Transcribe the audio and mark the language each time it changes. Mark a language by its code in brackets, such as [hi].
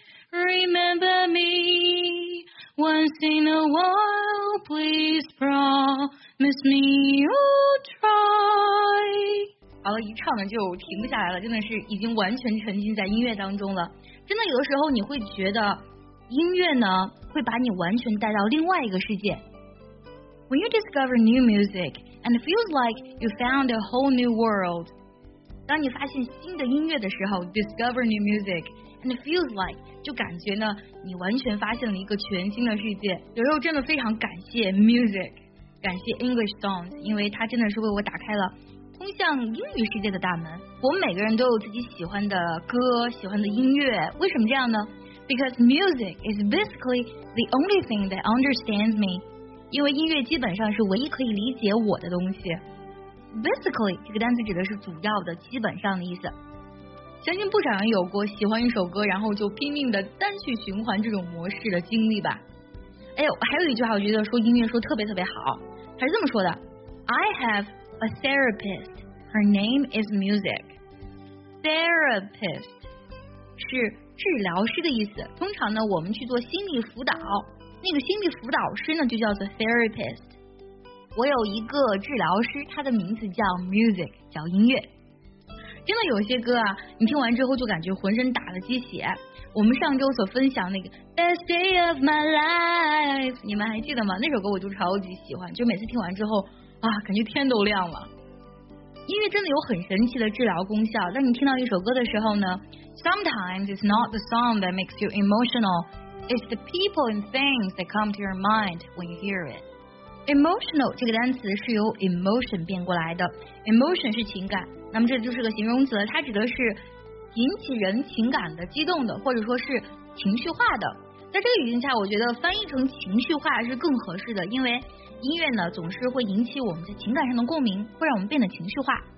[en] Remember me Once in a while Please promise me you'll try [zh] 好了，一唱呢就停不下来了，真的是已经完全沉浸在音乐当中了。真的有的时候你会觉得音乐呢会把你完全带到另外一个世界。 [en] When you discover new music and it feels like you found a whole new world [zh] 当你发现新的音乐的时候 [en] discover new music and it feels like [zh] 就感觉呢你完全发现了一个全新的世界。有时候真的非常感谢 music， 感谢 English songs， 因为它真的是为我打开了通向英语世界的大门。我们每个人都有自己喜欢的歌，喜欢的音乐，为什么这样呢？ [en] Because music is basically the only thing that understands me. [zh] 因为音乐基本上是唯一可以理解我的东西。Basically 这个单词指的是主要的，基本上的意思。相信不少人有过喜欢一首歌然后就拼命的单曲循环这种模式的经历吧。哎呦，还有一句话我觉得说音乐说特别特别好，还是这么说的， [en] I haveA therapist, her name is music. [zh] Therapist 是治疗师的意思。通常呢，我们去做心理辅导，那个心理辅导师呢就叫做 therapist。我有一个治疗师，他的名字叫 music， 叫音乐。真的有些歌啊，你听完之后就感觉浑身打了鸡血。我们上周所分享那个 Best Day of My Life， 你们还记得吗？那首歌我就超级喜欢，就每次听完之后。啊，感觉天都亮了。音乐真的有很神奇的治疗功效。当你听到一首歌的时候呢 [en] ，Sometimes it's not the song that makes you emotional, it's the people and things that come to your mind when you hear it. [zh] Emotional 这个单词是由 emotion 变过来的 ，emotion 是情感，那么这就是个形容词，它指的是引起人情感的、激动的，或者说是情绪化的。在这个语境下，我觉得翻译成情绪化是更合适的，因为音乐呢总是会引起我们在情感上的共鸣，会让我们变得情绪化。